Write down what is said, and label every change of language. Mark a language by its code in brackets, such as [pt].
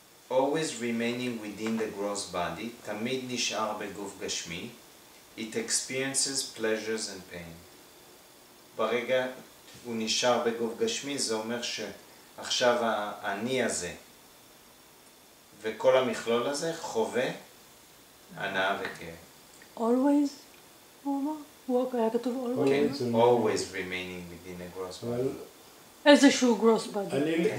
[en] Always remaining within the gross body, [he] תמיד נשאר בגוף גשמי, [en] it experiences pleasures and pain. [he] ברגע הוא נשאר בגוף גשמי, זה אומר שעכשיו אני הזה, וכל המכלול הזה חווה הנאה וכאב. [en] Always? [he] הוא היה כתוב always? כן, [en] always remaining within the gross body. [he] איזשהו [en] gross body.